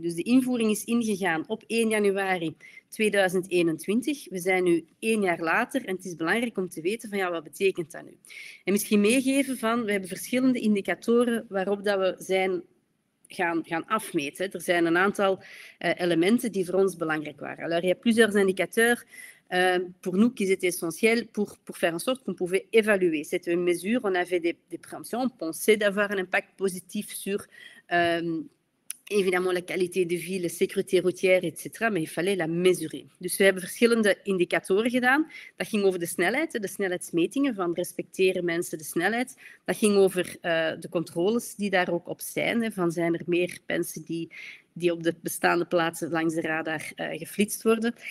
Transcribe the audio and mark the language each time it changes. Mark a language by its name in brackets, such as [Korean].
[Dutch] Dus de invoering is ingegaan op 1 januari 2021. We zijn nu 1 jaar later en het is belangrijk om te weten van ja, wat betekent dat nu? En misschien meegeven van, we hebben verschillende indicatoren waarop dat we zijn gaan afmeten. Er zijn een aantal elementen die voor ons belangrijk waren. [French] Alors, il y a plusieurs indicateurs pour nous qui étaient essentiels pour faire en sorte qu'on pouvait évaluer cette mesure. On avait des préemptions, on pensait d'avoir un impact positif sur évidemment la qualité de vie, la sécurité routière, etc. Mais il fallait la mesurer. [Dutch] Dus we hebben verschillende indicatoren gedaan. Dat ging over de snelheidsmetingen, van respecteren mensen de snelheid. Dat ging over de controles die daar ook op zijn. Van zijn er meer mensen die op de bestaande plaatsen langs de radar geflitst worden.